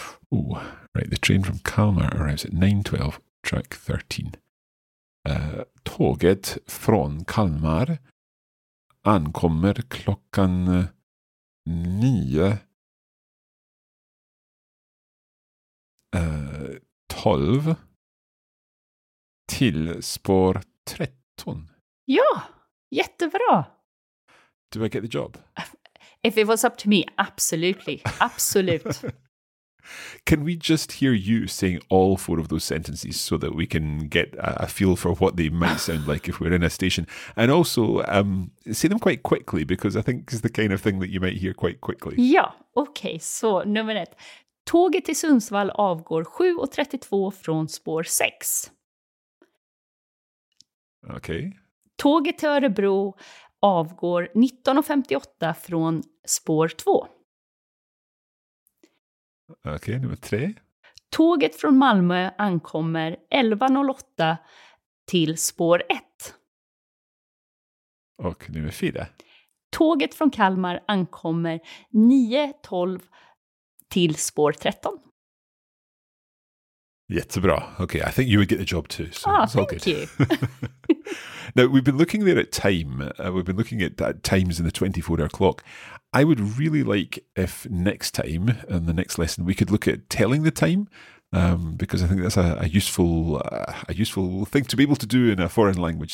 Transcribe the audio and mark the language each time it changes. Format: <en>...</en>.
<en>Ooh, right. The train from Kalmar arrives at 9:12, track 13.</en> <sv>Tåget från Kalmar ankommer klockan 9:12 till spår 13. Ja, jättebra.</sv> <en>Do I get the job? If it was up to me, absolutely. Absolute. Can we just hear you saying all four of those sentences so that we can get a feel for what they might sound like if we're in a station? And also, say them quite quickly, because I think it's the kind of thing that you might hear quite quickly. Yeah, okay. So, number one.</en> <sv>Tåget till Sundsvall avgår 7.32 från spår 6. Okej.</sv> <en>Okay.</en> <sv>Tåget till Örebro avgår 19.58 från spår 2. Okej, okay, nummer 3. Tåget från Malmö ankommer 11.08 till spår 1. Och nummer 4. Tåget från Kalmar ankommer 9.12 till spår 13. Jättebra.</sv> <en>Okay, I think you would get the job too. So ah, it's all thank good. You. Now, we've been looking there at time. We've been looking at times in the 24-hour clock. I would really like if next time, in the next lesson, we could look at telling the time, because I think that's a useful thing to be able to do in a foreign language.</en>